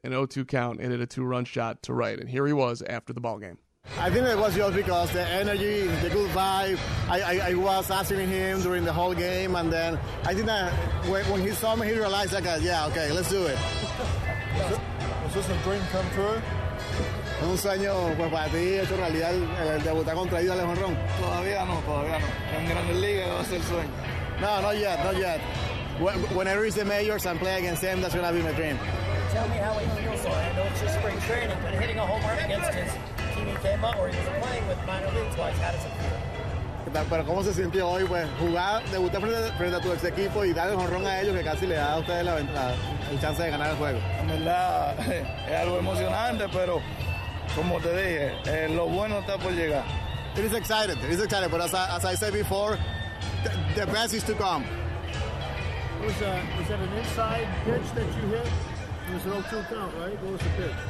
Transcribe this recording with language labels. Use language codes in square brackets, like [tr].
[en] An 0-2 count, and hit a two-run shot to right. And here he was after the ball game. I think it was just because the energy, the good vibe. I was asking him during the whole game, and then I think that when he saw me, he realized, like, yeah, okay, let's do it. Is this a dream come true? [es] Un sueño, pues para ti, hecho realidad, el debutar contra Ida León Ron. Todavía no, todavía no. En Grandes Ligas va a ser sueño. [en] No, not yet, not yet. When I reach the majors and play against him, that's going to be my dream. Tell me how he feels. I know it's just spring training, but hitting a home run against his team he came up, or he was playing with minor league twice, how does it feel? [es] Pero cómo se sintió hoy, pues jugar, debutar frente a tu ex equipo y dar el jonrón a ellos que casi le da a ustedes el chance de ganar el juego. En verdad, es algo emocionante, pero como te dije, lo bueno está por llegar. [en] It is excited, but as I said before, the best is to come. Was that an inside pitch that you hit? It was an 0-2 count, right? What was the pitch?